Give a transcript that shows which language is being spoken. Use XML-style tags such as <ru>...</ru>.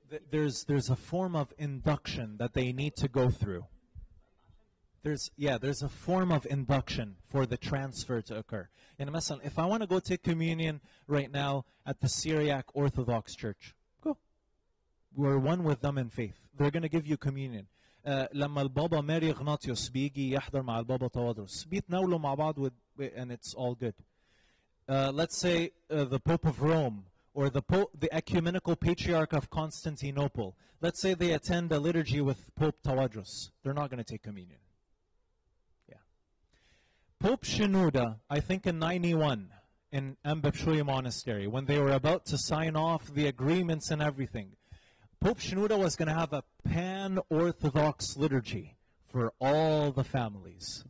<en>There's a form of induction that they need to go through. There's a form of induction for the transfer to occur. And Mesan, if I want to go take communion right now at the Syriac Orthodox Church, go. We're one with them in faith. They're going to give you communion.</en> <ar>لما البابا ماري غناطيوس بيجي يحضر مع البابا توادروس بيتناولوا مع بعض</ar> <en>and it's all good. Let's say the Pope of Rome or the Ecumenical Patriarch of Constantinople, let's say they attend a liturgy with Pope Tawadros, they're not going to take communion. Yeah. Pope Shenouda, I think in 91 in Ambepshuya Monastery, when they were about to sign off the agreements and everything, Pope Shenouda was going to have a pan-Orthodox liturgy for all the families.</en>